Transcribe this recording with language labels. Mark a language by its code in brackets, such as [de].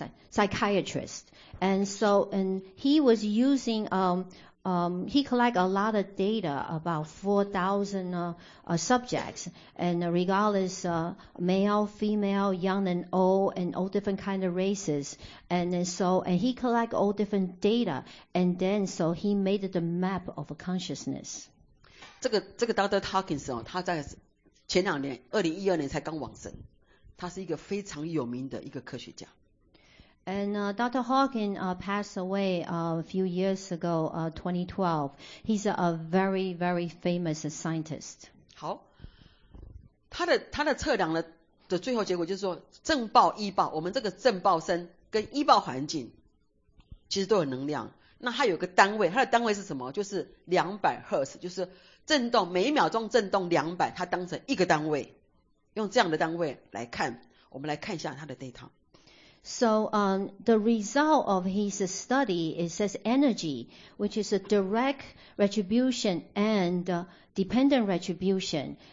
[en] Psychiatrist. And so, and he was using, he collect a lot of data about 4,000, subjects. And regardless, male, female, young and all different kind of races. And then so, and he collect all different data. And then so he made the map of consciousness. [zh] 这个 Dr. Hawkins 哦，他在前两年，2012年才刚往生。他是一个非常有名的一个科学家。 [en] And Dr. Hawking passed away a few years ago, 2012. He's a very, very famous scientist. [zh] 好，他的测量的最后结果就是说，正报、异报，我们这个正报声跟异报环境其实都有能量。那它有个单位，它的单位是什么？就是200赫兹，就是震动每秒钟震动200，它当成一个单位。用这样的单位来看我们来看一下他的 data。 [en] So, the result of his study, it says energy, which is a direct retribution and dependent retribution.